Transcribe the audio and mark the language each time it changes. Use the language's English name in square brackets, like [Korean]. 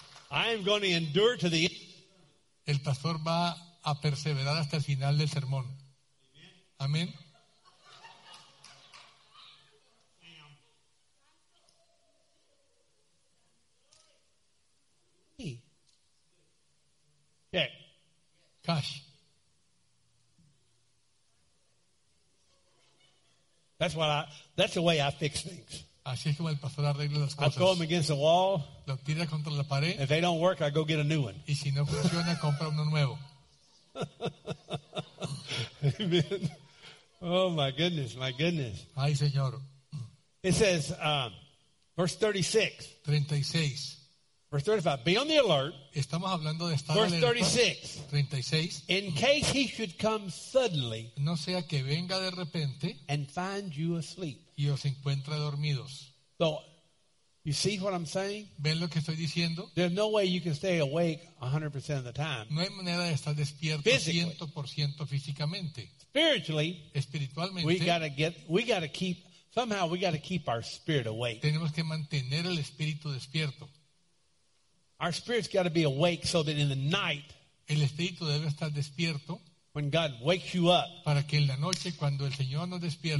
[English] I am going to endure to the end. [Spanish] El pastor va a perseverar hasta el final del sermón. Amén. [English] Check. Cash. That's the way I fix things. [Spanish] Así es como el pastor arregla las cosas. [English] I throw them against the wall. [Spanish] Lo tira contra la pared. [English] If they don't work, I go get a new one. [Spanish] Y si no funciona, compra uno nuevo. [English] Amen. Oh my goodness, my goodness. [Spanish] Ay, Señor. [English] It says, verse 36. 36. Verse 35. Be on the alert. [Spanish] Estamos hablando de estar [English] verse [Spanish] alerta. 36. 36. [English] In case he should come suddenly. [Spanish] No sea que venga de repente. [English] And find you asleep. [Spanish] Y os encuentre dormidos. [English] So, you see what I'm saying? [Spanish] ¿Ven lo que estoy diciendo? [English] There's no way you can stay awake 100% of the time. [Spanish] No hay manera de estar despierto [English] physically. [Spanish] 100% físicamente. [English] Spiritually, [Spanish] espiritualmente, [English] we gotta keep our spirit awake. [Spanish] Tenemos que mantener el espíritu despierto. [English] Our spirit's gotta be awake so that in the night, [Spanish] el espíritu debe estar despierto, [English] when God wakes you up, [Spanish] para que en la noche cuando el Señor nos despierte,